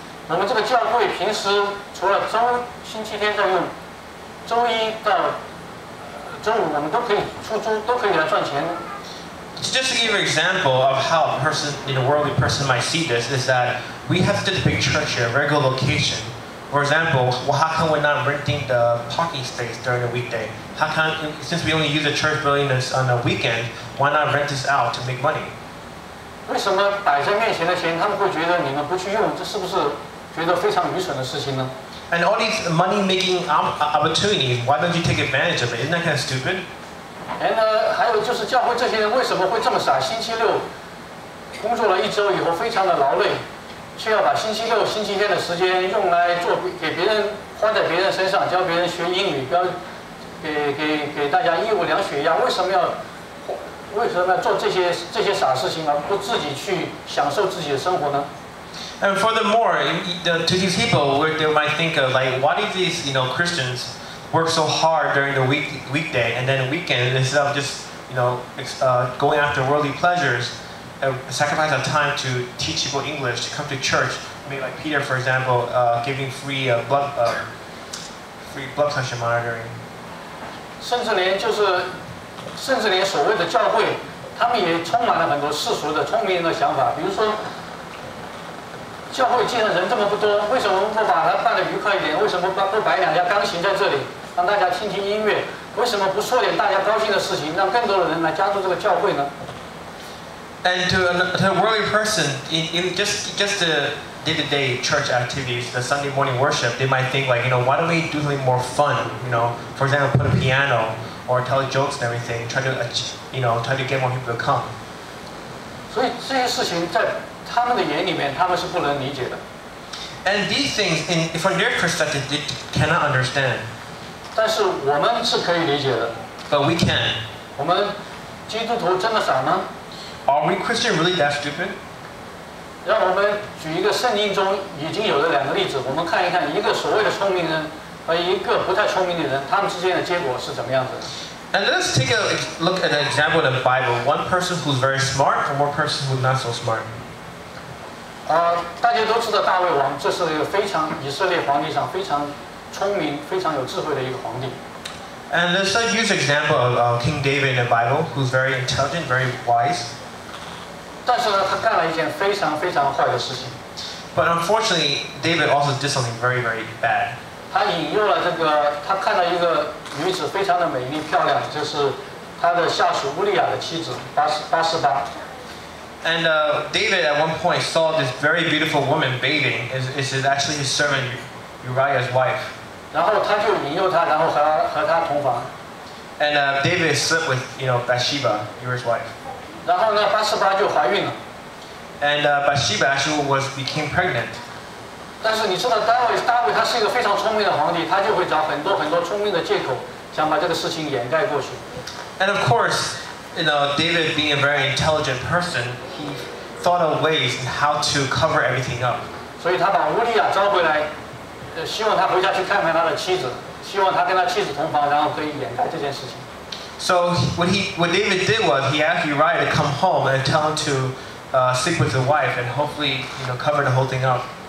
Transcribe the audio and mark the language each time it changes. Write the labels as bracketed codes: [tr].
[zh] 我们这个教会平时除了周星期天在用，周一到周五我们都可以出租，都可以来赚钱。 [en] Just to give an example of how a person, in a worldly person, might see this, is that we have such a big church here, a regular location. For example, well, how come we're not renting the parking space during the weekday? How come, since we only use the church building on the weekend, why not rent this out to make money? [zh] 为什么摆在面前的钱，他们会觉得你们不去用？这是不是？觉得非常愚蠢的事情呢。 [en] And all these money-making opportunities, why don't you take advantage of it? Isn't that kind of stupid? [zh] And 还有就是教会这些人为什么会这么傻？星期六工作了一周以后非常的劳累，却要把星期六星期天的时间用来做给别人，花在别人身上，教别人学英语，教给大家义务量血压，为什么要做这些傻事情，而不自己去享受自己的生活呢？ [en] And furthermore, to these people, they might think of like, why do these, you know, Christians work so hard during the weekday and then weekend instead of just, you know, going after worldly pleasures, sacrifice of time to teach people English, to come to church. I mean, like Peter, for example, giving free blood pressure monitoring. [zh] 甚至连所谓的教会，他们也充满了很多世俗的聪明的想法，比如说。教会既然人这么不多，为什么不把它办得愉快一点？为什么不摆两架钢琴在这里，让大家听听音乐？为什么不说点大家高兴的事情，让更多的人来加入这个教会呢？ [en] And to a worldly person, in just the day-to-day church activities, the Sunday morning worship, they might think like, you know, why don't we do something more fun? You know, for example, put a piano or tell jokes and everything, try to get more people to come. [zh] 所以这些事情在他们的眼里面，他们是不能理解的。 [en] And these things, from their perspective, they cannot understand. [zh] 但是我们是可以理解的。 [en] But we can. [zh] 我们基督徒真的傻吗？ [en] Are we Christian really that stupid? [zh] 让我们举一个圣经中已经有的两个例子，我们看一看一个所谓的聪明人和一个不太聪明的人，他们之间的结果是怎么样子的。 [en] And let's take a look at an example of the Bible. One person who's very smart and one person who's not so smart. [zh] 大家都知道大卫王，这是一个非常以色列皇帝上非常聪明、非常有智慧的一个皇帝。 [en] And let's use example of King David in the Bible, who's very intelligent, very wise. [zh] 但是呢，他干了一件非常非常坏的事情。 [en] But unfortunately, David also did something very, very bad. [zh] 他引诱了这个，他看到一个女子非常的美丽漂亮，就是他的下属乌利亚的妻子八十八。 [en] And David at one point saw this very beautiful woman bathing. It's actually his servant Uriah's wife. [zh] 然后他就引诱她，然后和她同房。 [en] And David slept with, you know, Bathsheba, Uriah's wife. [zh] 然后呢，八十八就怀孕了。 [en] And Bathsheba actually became pregnant. [zh] 但是你知道大卫他是一个非常聪明的皇帝，他就会找很多很多聪明的借口，想把这个事情掩盖过去。 [en] And of course. You know, David being a very intelligent person, he thought of ways and how to cover everything up. So he brought Uriah back, hoping that he would go home to see his wife, hoping that he would go home with his wife and then he would hide this thing. So what David did was he asked Uriah to come home and tell him to sleep with his wife and hopefully, you know, cover the whole thing up.